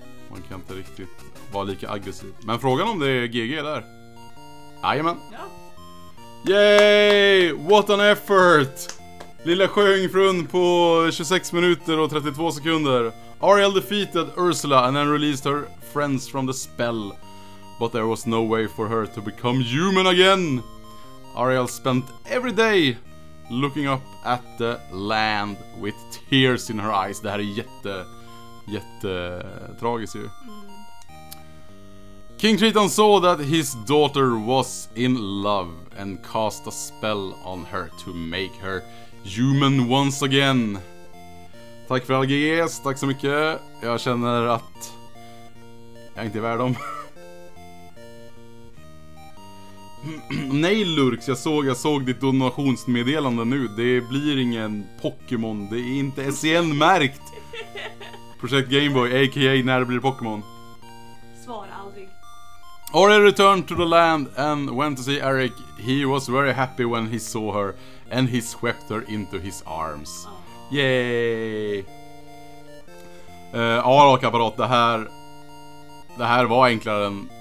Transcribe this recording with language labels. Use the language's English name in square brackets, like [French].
[Swedish] Man kan inte riktigt vara lika aggressiv. Men frågan om det är GG där. Jajamän. Ja. [English] Yay! What an effort! [Swedish] Lilla sjöjungfrun på 26 minuter och 32 sekunder. [English] Ariel defeated Ursula and then released her friends from the spell. But there was no way for her to become human again. Ariel spent every day looking up at the land with tears in her eyes. [Swedish] Det här är jätte... Jätte tragiskt ju. [English] King Triton saw that his daughter was in love and cast a spell on her to make her human once again. [Swedish] Tack för LGS, tack så mycket. Jag känner att jag inte är värd dem. Nej Lurx, jag såg ditt donationsmeddelande nu. Det blir ingen Pokémon, det är inte SCN-märkt. Projekt Gameboy, aka När det blir Pokémon. Svar aldrig. [English] Ori returned to the land and went to see Eric. He was very happy when he saw her and he swept her into his arms. Yay! [Swedish] Arak-apparat, det här var enklare än...